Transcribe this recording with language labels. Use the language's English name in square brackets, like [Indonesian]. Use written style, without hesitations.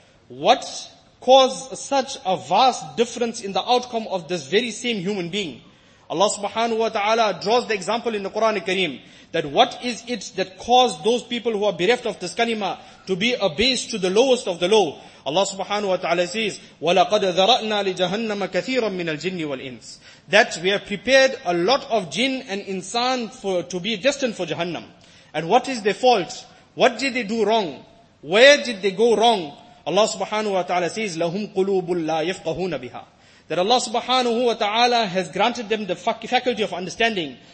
[English] What cause such a vast difference in the outcome of this very same human being? Allah subhanahu wa ta'ala draws the example in the Quran al-Kareem that what is it that caused those people who are bereft of this kalima to be abased to the lowest of the low? Allah subhanahu wa ta'ala says, [Arabic] وَلَقَدْ ذَرَأْنَا لِجَهَنَّمَ كَثِيرًا مِنَ الْجِنِّ وَالْإِنسِ. [English] That we have prepared a lot of jinn and insan to be destined for Jahannam. And what is their fault? What did they do wrong? Where did they go wrong? Allah subhanahu wa ta'ala says, [Arabic] لَهُمْ قُلُوبُ لَا يَفْقَهُونَ بِهَا. [English] That Allah subhanahu wa ta'ala has granted them the faculty of understanding.